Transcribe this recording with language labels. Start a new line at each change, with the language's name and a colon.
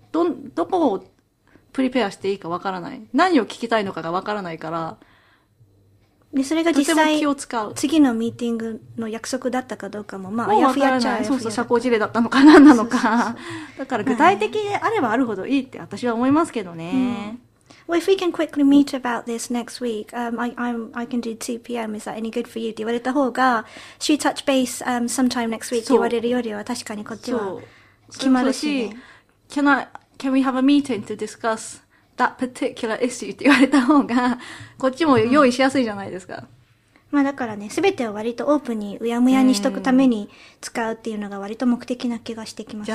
Japanese: どこを、プリペアしていいかわからない。何を聞きたいのかがわからないから。で、それが実際、とても気を使う。次のミーティングの約束だったかどうかも、まあ、あやふやっちゃう。そうそう、社交辞令だったのか、何なのか。だから、具体的であればあるほどいいって私は思いますけどね。はい、
English: well, if we can quickly meet about this next week,、I can do 2pm, is that any good for you?
Japanese: って言われた方が、
English: should touch base、sometime next week?
Japanese: って言われるよりは、確かにこっちは決まるし、ね。そうそうし、
English: Can we have a meeting to discuss that particular issue?
Japanese: って言われた方が、こっちも用意しやすいじゃないですか。うん、まあだからね、すべてを割とオープンにうやむやにしとくために使うっていうのが割と目的な気がしてきますね。